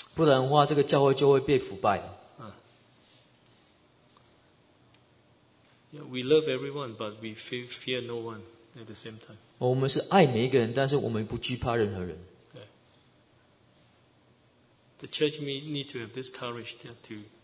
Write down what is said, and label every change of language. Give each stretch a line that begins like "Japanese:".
Chinese: 不然的话，这个教会就会被腐败。
English: We love everyone, but we fear no one at the same time.
Chinese: 我们是爱每一个人，但是我们不惧怕任何人。
English: The church may need to have this courage to